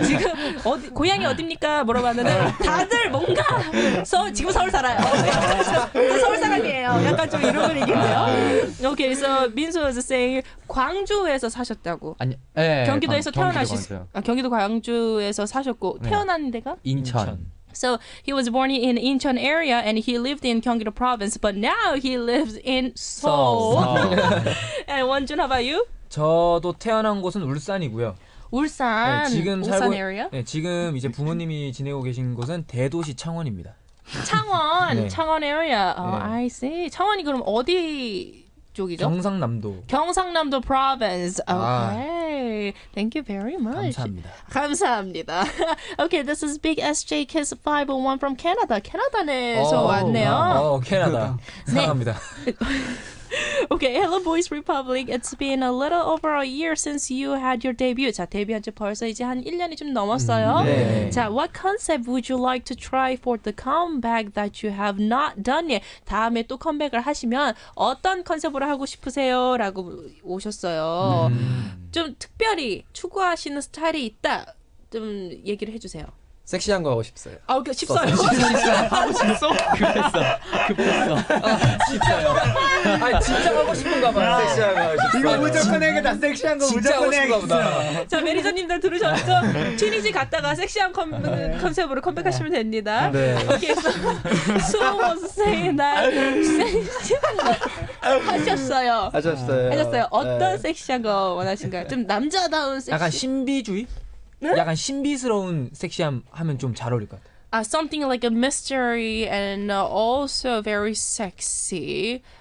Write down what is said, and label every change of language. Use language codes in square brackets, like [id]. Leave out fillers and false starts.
[ko] 지금 어디 고향이 어딥니까? 물어봤는데 다들 뭔가 지금 서울 살아요. 서울 사람이에요. 약간 좀 이런 분위기인데요. [en] Okay, so 민수 was saying [ko] 광주에서 사셨다고. 아니, 네, 경기도에서 태어나셨어요. 경기도 광주에서 사셨고 네. 태어난 데가 인천. [en] So he was born in Incheon area and he lived in Gyeonggi-do province, but now he lives in Seoul. And Wonjun, how about you? [ko] 저도 태어난 곳은 울산이고요. 울산. 네, 지금 울산 살고, area? 네, 지금 이제 부모님이 지내고 계신 곳은 대도시 창원입니다. 창원, 네. 창원 area. Oh, 네. [en] I see. [ko] 창원이 그럼 어디 쪽이죠? 경상남도. [en] 경상남도 province. Okay. Thank you very much. [ko] 감사합니다. 감사합니다. [en] Okay, this is Big SJ Kiss 501 from Canada. [ko] 캐나다에서 왔네요. 오, 캐나다. 사랑합니다. [en] Okay, hello Boys Republic. It's been a little over a year since you had your debut. [ko] 자, 데뷔한 지 벌써 이제 한 1년이 좀 넘었어요. 네. [en] 자, what concept would you like to try for the comeback that you have not done yet? [ko] 다음에 또 컴백을 하시면 어떤 컨셉으로 하고 싶으세요? 라고 오셨어요. 좀 특별히 추구하시는 스타일이 있다. 좀 얘기를 해주세요. 섹시한 거 하고 싶어요. 아, 오케이, 싶어요. 하고 싶어? 급했어. 급했어. 진짜요. 아, 진짜 하고 싶은가 봐. 섹시한 거 하고 싶어. 이거 무조건 해야겠다. 섹시한 거 무조건 해야겠다. 자, 매니저님들 들으셨죠? 튜니지 갔다가 섹시한 컨셉으로 컴백하시면 됩니다. 네. [en] 오케이, so, so was saying that [ko] 섹시한 거 하셨어요. 하셨어요. 하셨어요. 어떤 네. 섹시한 거 원하신가요? 좀 남자다운 섹시. 약간 신비주의? 약간 신비스러운 섹시함 하면 좀 잘 어울릴 것 같아. [en] Something like a mystery and also very sexy.